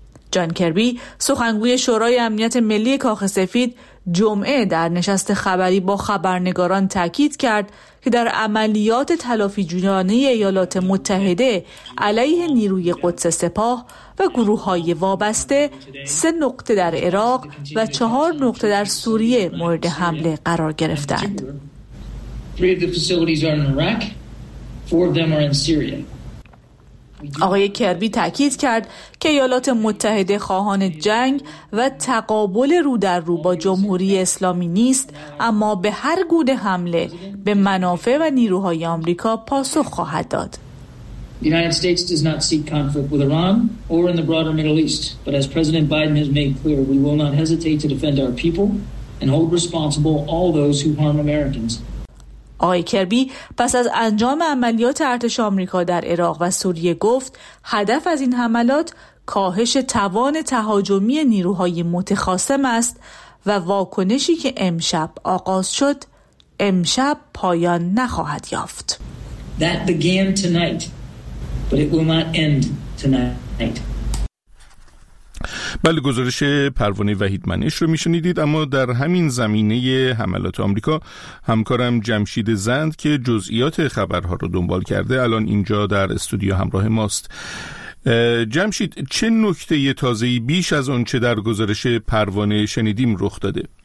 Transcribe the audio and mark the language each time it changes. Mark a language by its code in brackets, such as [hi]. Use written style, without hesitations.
[fa] جان کربی، سخنگوی شورای امنیت ملی کاخ سفید، جمعه در نشست خبری با خبرنگاران تاکید کرد که در عملیات تلافی جویانه ایالات متحده علیه نیروی قدس سپاه و گروه‌های وابسته 3 نقطه در عراق و 4 نقطه در سوریه مورد حمله قرار گرفتند. [en] 3 of the facilities are in Iraq, 4 of them are in Syria. [fa] آقای کربی تاکید کرد که ایالات متحده خواهان جنگ و تقابل رو در رو با جمهوری اسلامی نیست، اما به هر گونه حمله به منافع و نیروهای آمریکا پاسخ خواهد داد. [en] United States does not seek conflict with Iran or in the broader Middle East, but as President Biden has made clear, we will not hesitate to defend our people and hold responsible all those who harm Americans. [fa] آقای کربی پس از انجام عملیات ارتش آمریکا در عراق و سوریه گفت هدف از این حملات کاهش توان تهاجمی نیروهای متخاصم است و واکنشی که امشب آغاز شد امشب پایان نخواهد یافت. [en] That began tonight, but it will not end tonight. [fa] بله، گزارش پروانه وحیدمنش رو میشنیدید. اما در همین زمینه حملات آمریکا، همکارم جمشید زند که جزئیات خبرها رو دنبال کرده الان اینجا در استودیو همراه ماست. جمشید، چه نکته تازه‌ای بیش از اون چه در گزارش پروانه شنیدیم رخ داده؟